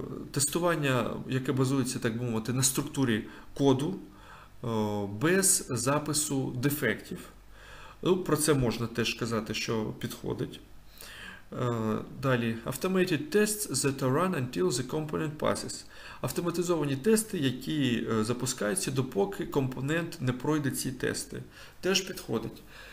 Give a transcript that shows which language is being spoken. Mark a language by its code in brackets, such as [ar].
[uk] Тестування, яке базується, так би мовити, на структурі коду без запису дефектів. Ну, про це можна теж казати, що підходить. Далі. [en] Automated tests that run until the component passes. [uk] Автоматизовані тести, які запускаються, допоки компонент не пройде ці тести. Теж підходить.